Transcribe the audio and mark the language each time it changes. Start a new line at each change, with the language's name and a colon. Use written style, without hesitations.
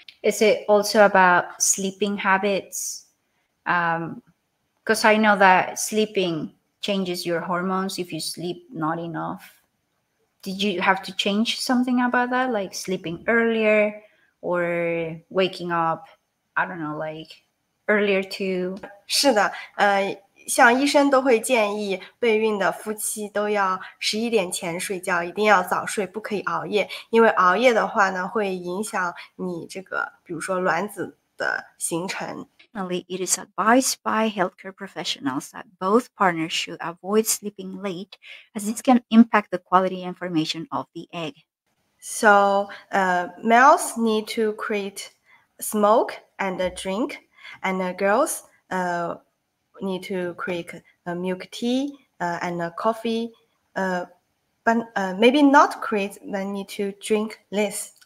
English: Is it also about sleeping habits? Because I know that sleeping changes your hormones if you sleep not enough. Did you have to change something about that, like sleeping earlier or waking up, I don't know, like earlier too?
Chinese: 是的，像医生都会建议备孕的夫妻都要11点前睡觉，一定要早睡，不可以熬夜，因为熬夜的话呢会影响你这个比如说卵子的形成。
English: It is advised by healthcare professionals that both partners should avoid sleeping late as this can impact the quality and formation of the egg. So, males need to quit smoke and drink, and girls need to quit milk tea and coffee, but maybe not quit, then need to drink less.